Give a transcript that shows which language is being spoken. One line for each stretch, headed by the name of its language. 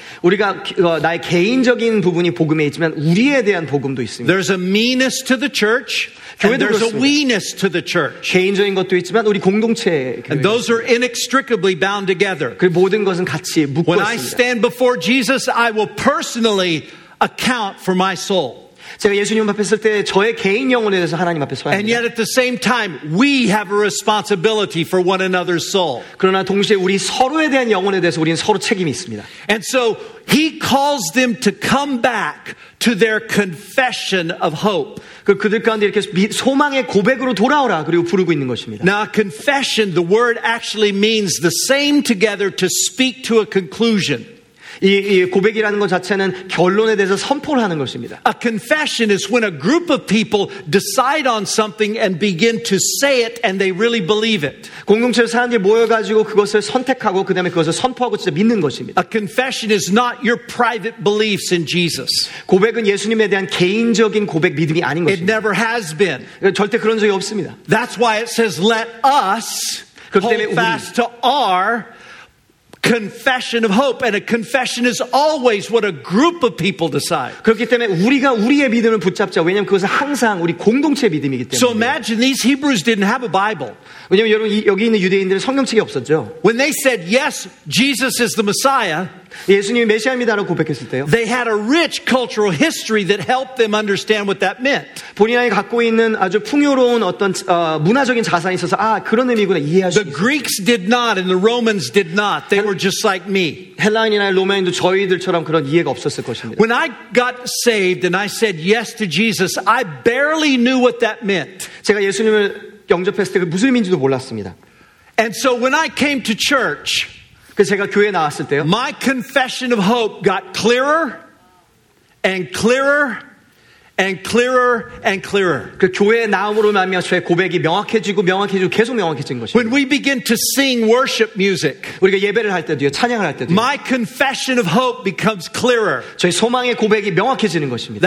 Korean: 우리가 나의 개인적인 부분이 복음에 있지만 우리에 대한 복음도 있습니다.
English: There's a meanness to the church. And there's a weeness to the church.
Korean: 개인적인 것도 있지만 우리 공동체에.
English: And those are inextricably bound together.
Korean: 그 모든 것은 같이 묶여 있습니다.
English: When I stand before Jesus, I will personally account for my soul.
Korean: 제가 예수님 앞에 설 때 저의 개인 영혼에 대해서 하나님 앞에 서야 합니다.
English: And yet at the same time, we have a responsibility for one another's soul.
Korean: 그러나 동시에 우리 서로에 대한 영혼에 대해서 우리는 서로 책임이 있습니다.
English: And so he calls them to come back to their confession of hope.
Korean: 그들 가운데 이렇게 소망의 고백으로 돌아오라 그리고 부르고 있는 것입니다.
English: Now confession, the word actually means the same together to speak to a conclusion.
Korean: 이 고백이라는 것 자체는 결론에 대해서 선포를 하는 것입니다.
English: A confession is when a group of people decide on something and begin to say it and they really believe it.
Korean: 공동체 사람들이 모여가지고 그것을 선택하고 그 다음에 그것을 선포하고 진짜 믿는 것입니다.
English: A confession is not your private beliefs in Jesus.
Korean: 고백은 예수님에 대한 개인적인 고백 믿음이 아닌 것입니다.
English: It never has been.
Korean: 절대 그런 적이 없습니다.
English: That's why it says let us hold fast to our confession of hope and a confession is always what a group of people decide.
Korean: 그렇기 때문에 우리가 우리의 믿음을 붙잡자. 왜냐면 그것은 항상 우리 공동체 믿음이기 때문에.
English: So imagine these Hebrews didn't have a Bible.
Korean: 왜냐면 여러분 여기 있는 유대인들은 성경책이 없었죠.
English: When they said yes, Jesus is the Messiah.
Korean: 예수님이 메시아입니다라고 고백했을 때요.
English: They had a rich cultural history that helped them understand what that meant.
Korean: 본인이 갖고 있는 아주 풍요로운 어떤 문화적인 자산이 있어서 아 그런 의미구나 이해하시.
English: The Greeks did not and the Romans did not. They were just like me.
Korean: 헬라인이나 로마인도 저희들처럼 그런 이해가 없었을 것입니다.
English: When I got saved and I said yes to Jesus, I barely knew what that meant.
Korean: 제가 예수님을 영접했을 때 그 무슨 의미인지도 몰랐습니다.
English: And so when I came to church,
Korean: 그래서 제가 교회에 나왔을 때요.
English: My confession of hope got clearer and clearer and clearer and clearer.
Korean: 그 교회의 나음으로 말미암아 고백이 명확해지고 명확해지고 계속 명확해진 것입니다.
English: When we begin to sing worship music,
Korean: 우리가 예배를 할 때도요, 찬양을 할 때도요,
English: my confession of hope becomes clearer.
Korean: 저희 소망의 고백이 명확해지는 것입니다.